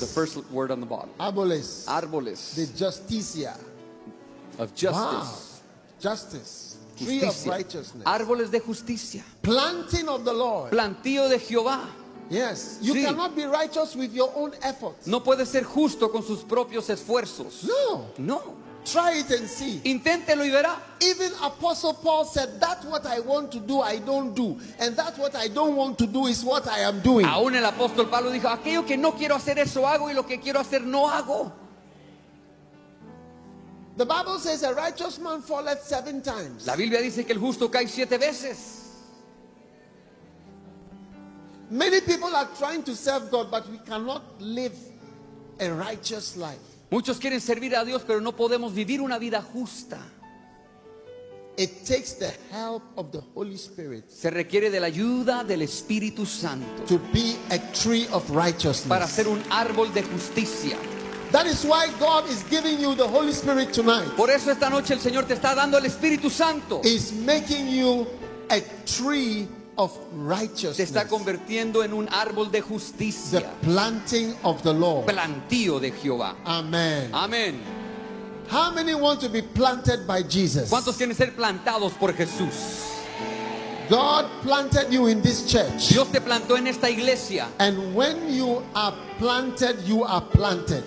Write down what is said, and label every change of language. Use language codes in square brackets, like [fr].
[en] The first word on the bottom. [es] Árboles. Árboles. [en] The justicia. Of justice. Wow. Justice. [es] Justicia. [en] Tree of righteousness. [es] Árboles de justicia. [en] Planting of the Lord. [es] Plantío de Jehová. [en] Yes. [es] Sí. [en] You cannot be righteous with your own efforts. [es] No puedes ser justo con sus propios esfuerzos. [en] No. [es] No. [en] Try it and see. [es] Inténtelo y verá. [en] Even Apostle Paul said, "That's what I want to do, I don't do, and that's what I don't want to do is what I am doing." [es] Aún el apóstol Pablo dijo, aquello que no quiero hacer eso hago y lo que quiero hacer no hago. [en] The Bible says a righteous man falleth 7 times. [es] La Biblia dice que el justo cae 7 veces. [en] Many people are trying to serve God, but we cannot live a righteous life. [es] Muchos quieren servir a Dios, pero no podemos vivir una vida justa. [en] It takes the help of the Holy Spirit. [es] Se requiere de la ayuda del Espíritu Santo. [en] To be a tree of righteousness. [es] Para ser un árbol de justicia. [en] That is why God is giving you the Holy Spirit tonight. [es] Por eso esta noche el Señor te está dando el Espíritu Santo. [en] He's making you a tree of righteousness. [es] Te está convirtiendo en un árbol de justicia. [en] The planting of the Lord. [es] Plantío de Jehová. [en] Amen. [es] Amen. [en] How many want to be planted by Jesus? [es] ¿Cuántos quieren ser plantados por Jesús? [en] God planted you in this church. [es] Dios te plantó en esta iglesia. [en] And when you are planted, you are planted.